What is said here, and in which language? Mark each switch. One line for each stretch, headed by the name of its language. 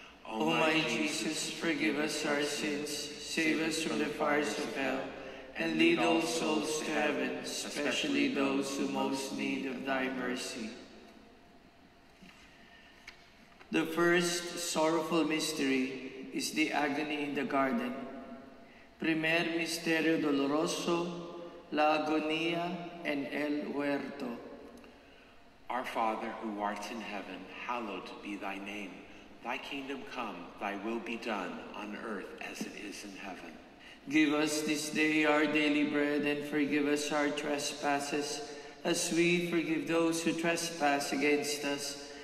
English: O my Jesus, forgive us our sins, save us from the fires of hell, and lead all souls to heaven, especially those who most need of thy mercy. The first sorrowful mystery is the agony in the garden.
Spanish: Primer misterio doloroso, la agonía en el huerto.
English: Our Father, who art in heaven, hallowed be thy name. Thy kingdom come, thy will be done, on earth as it is in heaven. Give us this day our daily bread, and forgive us our trespasses, as we forgive those who trespass against us.